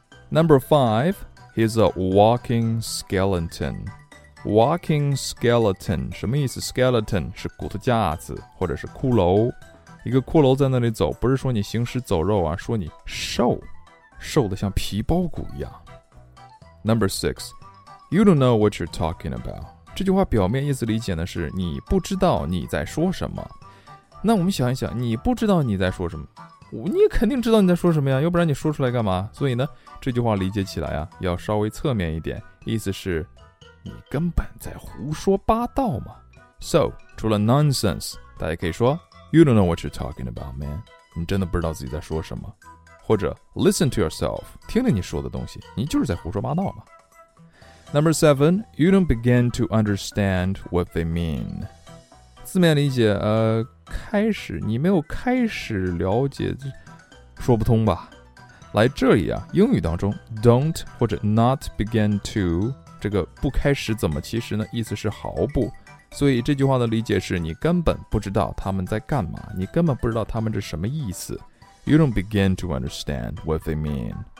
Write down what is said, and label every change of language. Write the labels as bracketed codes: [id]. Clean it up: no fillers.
[en] Number five, he's a walking skeleton. Walking skeleton [zh] 什么意思 ？Skeleton 是骨头架子或者是骷髅。一个骷髅在那里走，不是说你行尸走肉啊，说你瘦，瘦得像皮包骨一样。 [en] Number six, you don't know what you're talking about. [zh] 这句话表面意思理解呢是你不知道你在说什么。那我们想一想，你不知道你在说什么，你肯定知道你在说什么呀，要不然你说出来干嘛？所以呢，这句话理解起来啊，要稍微侧面一点，意思是你根本在胡说八道嘛。 [en] So, [zh] 除了 [en] nonsense, [zh] 大家可以说 [en] You don't know what you're talking about, man. [zh] 你真的不知道自己在说什么。或者 [en] listen to yourself, [zh] 听听你说的东西，你就是在胡说八道嘛。 [en] Number seven, you don't begin to understand what they mean. [zh] 字面理解，开始，你没有开始了解，说不通吧。来这里啊，英语当中 don't 或者 not begin to, 这个不开始怎么其实呢，意思是毫不。所以这句话的理解是你根本不知道他们在干嘛，你根本不知道他们是什么意思。 [en] You don't begin to understand what they mean.